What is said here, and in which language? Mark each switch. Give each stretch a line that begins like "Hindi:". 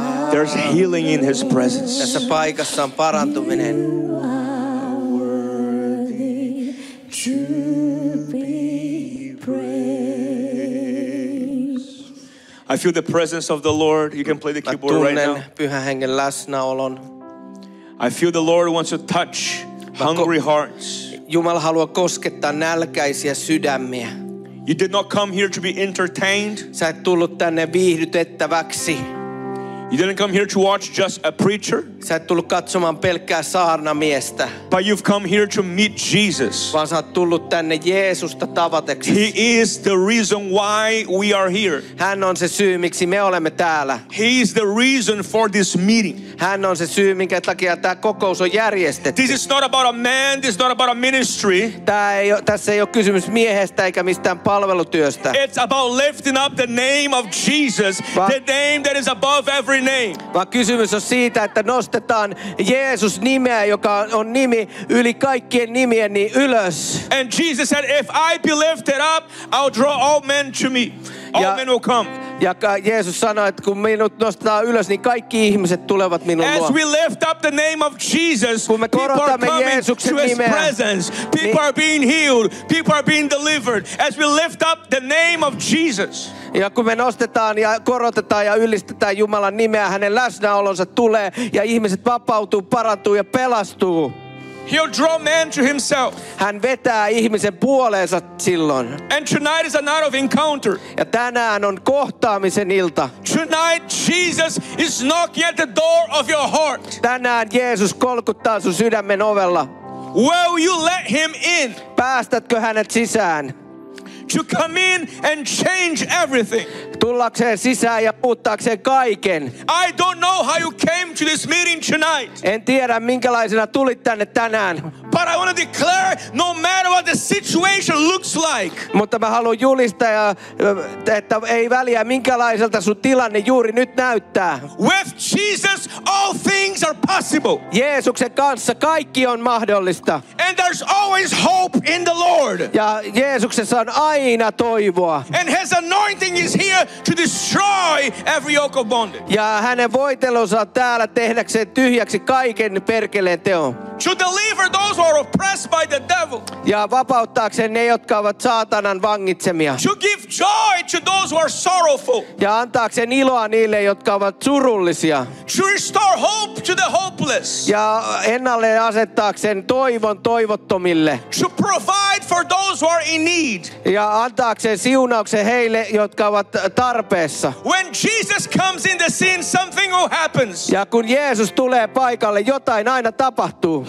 English: There's healing in his presence.
Finnish: Tässä paikassa on parantuminen.
English: I feel the presence of the Lord. You can play the keyboard right now.
Finnish: Pyhän Hengen läsnäolon.
English: I feel the Lord wants to touch hungry hearts.
Finnish: Jumala haluaa koskettaa nälkäisiä sydämiä.
English: You did not come here to be entertained.
Finnish: Sä et tullut tänne viihdytettäväksi.
English: You didn't come here to watch just a preacher.
Finnish: Sä et tullut katsomaan pelkkää saarnamiestä.
English: But you've come here to meet Jesus.
Finnish: Vaan sä oot tullut tänne Jeesusta tavateksi.
English: He is the reason why we are here.
Finnish: Hän on se syy, miksi me olemme täällä.
English: He is the reason for this meeting.
Finnish: Hän on se syy, minkä takia tämä kokous on järjestetty.
English: This is not about a man, this is not about a ministry.
Finnish: Tässä ei ole kysymys miehestä eikä mistään palvelutyöstä.
English: It's about lifting up the name of Jesus, the name that is above every name.
Finnish: Vaan kysymys on siitä, että nostetaan Jeesus nimeä, joka on nimi yli kaikkien nimien, niin ylös.
English: And Jesus said, if I be lifted up, I'll draw all men to me. All men will come.
Finnish: Ja Jeesus sanoi, että kun minut nostetaan ylös, niin kaikki ihmiset tulevat minun luo.
English: As we lift up the name of Jesus,
Finnish: kun me korotamme Jeesuksen nimeä,
English: people are coming to his presence. People are being healed. People are being delivered. As we lift up the name of Jesus.
Finnish: Ja kun me nostetaan ja korotetaan ja ylistetään Jumalan nimeä, hänen läsnäolonsa tulee ja ihmiset vapautuu, parantuu ja pelastuu.
English: He'll draw man to himself.
Finnish: Hän vetää ihmisen puoleensa silloin.
English: And tonight is a night of encounter.
Finnish: Ja tänään on kohtaamisen ilta.
English: Tonight Jesus is knocking at the door of your heart.
Finnish: Tänään Jeesus kolkuttaa sun sydämen ovella.
English: Will you let him in?
Finnish: Päästätkö hänet sisään?
English: to come in and change everything.
Finnish: Tullakseen sisään ja muuttaakseen kaiken.
English: I don't know how you came to this meeting tonight.
Finnish: En tiedä minkälaisena tulit tänne tänään.
English: But I want to declare, no matter what the situation looks like.
Finnish: Mutta mä haluan julistaa ja että ei väliä minkälaiselta sun tilanne juuri nyt näyttää.
English: With Jesus, all things are possible.
Finnish: Jeesuksen kanssa kaikki on mahdollista.
English: And there's always hope in the Lord.
Finnish: Ja Jeesuksessa on aina toivoa.
English: And his anointing is here to destroy every yoke of bondage.
Finnish: Ja hänen voitelunsa on täällä tehdäkseen tyhjäksi kaiken perkeleen teon.
English: To deliver those who are oppressed by the devil.
Finnish: Ja vapauttaakseen ne, jotka ovat saatanan vangitsemia.
English: To give joy to those who are sorrowful.
Finnish: Ja antaakseen iloa niille, jotka ovat surullisia.
English: To restore hope to the hopeless.
Finnish: Ja ennalle asettaakseen toivon toivottomille.
English: To provide for those who are in need.
Finnish: Ja antaakseen siunauksen heille, jotka ovat tarpeessa.
English: When Jesus comes in the scene, something will happen.
Finnish: Ja kun Jeesus tulee paikalle, jotain aina tapahtuu.